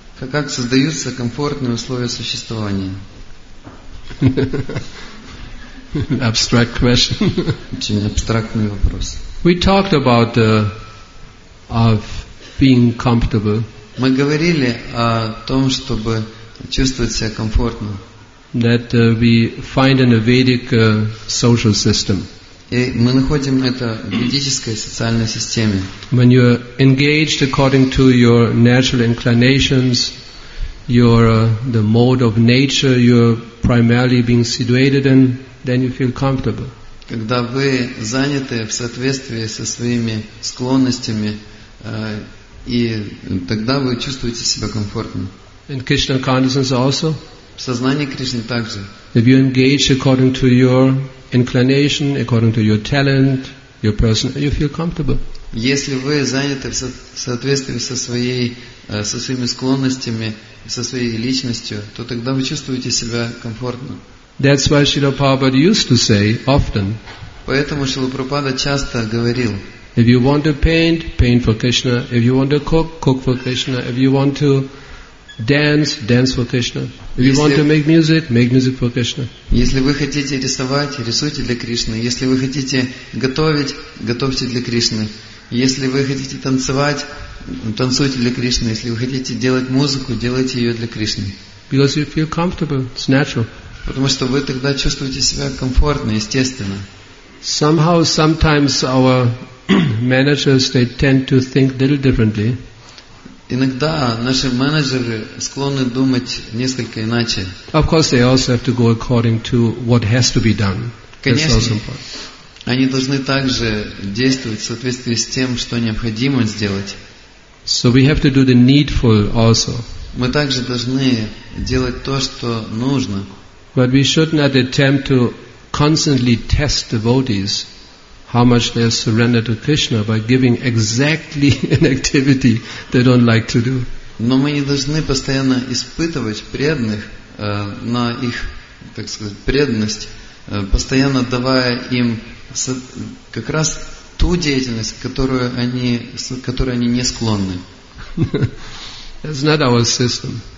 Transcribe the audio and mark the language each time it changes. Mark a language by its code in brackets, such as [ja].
[ru] Как создаются комфортные условия существования? [en] Abstract question. [ru] Очень абстрактный вопрос. [en] We talked about of being comfortable. [ru] Мы говорили о том, чтобы чувствовать себя комфортно. [en] That we find in a Vedic social system. [ru] И мы находим это в ведической социальной системе. [en] When you are engaged according to your natural inclinations, your the mode of nature you're primarily being situated in, then you feel comfortable. [ru] Когда вы заняты в соответствии со своими склонностями, и тогда вы чувствуете себя комфортно. [en] In Krishna consciousness also. [ru] В сознании Кришны также. [en] If you engage according to your inclination, according to your talent, your person, you feel comfortable. [ru] Если вы заняты в соответствии со своей, со своими склонностями, со своей личностью, то тогда вы чувствуете себя комфортно. [en] That's why Srila Prabhupada used to say often. [ru] Поэтому Шрила Прабхупада часто говорил. [en] If you want to paint, paint for Krishna. If you want to cook, cook for Krishna. If you want to dance, dance for Krishna. If you want to make music, make music for Krishna. [ru] Если вы хотите рисовать, рисуйте для Кришны. Если вы хотите готовить, готовьте для Кришны. Если вы хотите танцевать, танцуйте для Кришны. Если вы хотите делать музыку, делайте ее для Кришны. [en] Because you feel comfortable, it's natural. [ru] Потому что вы тогда чувствуете себя комфортно, естественно. [en] Somehow, sometimes our managers they tend to think a little differently. [ru] Иногда наши менеджеры склонны думать несколько иначе. [en] Of course, they also have to go according to what has to be done. [ru] Конечно, они должны также действовать в соответствии с тем, что необходимо сделать. [en] So we have to do the needful also. [ru] Мы также должны делать то, что нужно. [en] But we should not attempt to constantly test devotees how much they are surrendered to Krishna by giving exactly an activity they don't like to do. [ru] Но мы не должны постоянно испытывать преданных на их, так сказать, преданность, постоянно давая им как раз ту деятельность, которой они не склонны. [en] It's not our system.